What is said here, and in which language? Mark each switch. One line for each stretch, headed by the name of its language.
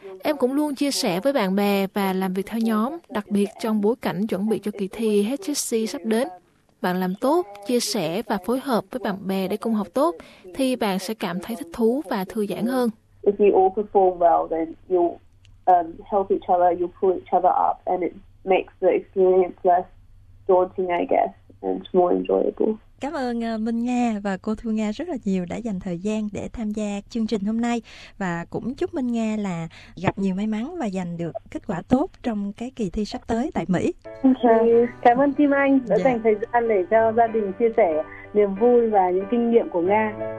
Vietnamese: Em cũng luôn chia sẻ với bạn bè và làm việc theo nhóm, đặc biệt trong bối cảnh chuẩn bị cho kỳ thi HSC sắp đến. Bạn làm tốt, chia sẻ và phối hợp với bạn bè để cùng học tốt, thì bạn sẽ cảm thấy thích thú và thư giãn hơn.
English: If you all perform well, then you'll help each other, you'll pull each other up, and it's makes the experience less daunting, I guess, and more enjoyable.
Vietnamese: Cảm ơn Minh Nga và cô Thu Nga rất là nhiều đã dành thời gian để tham gia chương trình hôm nay. Và cũng chúc Minh Nga là gặp nhiều may mắn và giành được kết quả tốt trong cái kỳ thi sắp tới tại Mỹ. Cảm ơn Kim Anh đã dành thời gian để cho gia đình chia sẻ niềm vui và những kinh nghiệm của Nga.